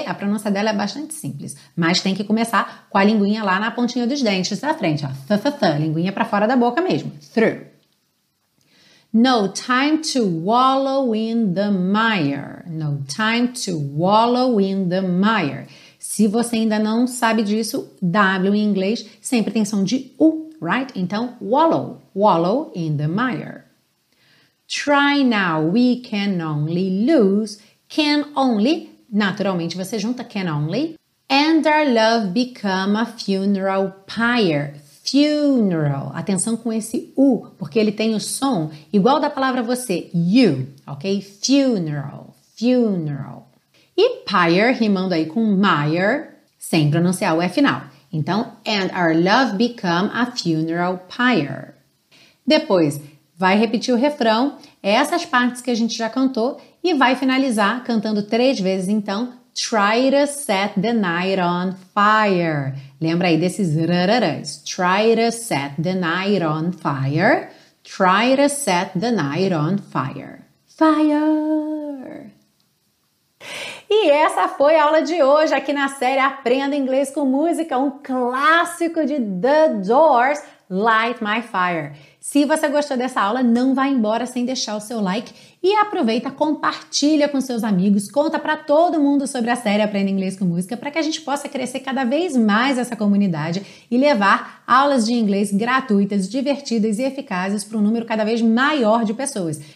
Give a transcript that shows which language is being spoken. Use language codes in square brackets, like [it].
[pt] A pronúncia dela é bastante simples, mas tem que começar com a linguinha lá na pontinha dos dentes da frente, ó, linguinha pra fora da boca mesmo, through. [en] No time to wallow in the mire. No time to wallow in the mire. [pt] Se você ainda não sabe disso, W em inglês sempre tem som de U, right? [en] Então, wallow in the mire. Try now, we can only lose. [pt] Can only, naturalmente você junta [en] can only. And our love become a funeral pyre. [pt] Funeral, atenção com esse U, porque ele tem o som igual da palavra você, you, ok? Funeral. E pyre, rimando aí com mire, sem pronunciar o E final. [en] Então, and our love become a funeral pyre. [pt] Depois, vai repetir o refrão, essas partes que a gente já cantou, e vai finalizar cantando três vezes, então, [en] try to set the night on fire. [pt] Lembra aí desses rararãs. [en] Try to set the night on fire. Try to set the night on fire. Fire! [pt] E essa foi a aula de hoje aqui na série Aprenda Inglês com Música, um clássico de The Doors, Light My Fire. Se você gostou dessa aula, não vá embora sem deixar o seu like e aproveita, compartilha com seus amigos, conta para todo mundo sobre a série Aprenda Inglês com Música para que a gente possa crescer cada vez mais essa comunidade e levar aulas de inglês gratuitas, divertidas e eficazes para um número cada vez maior de pessoas.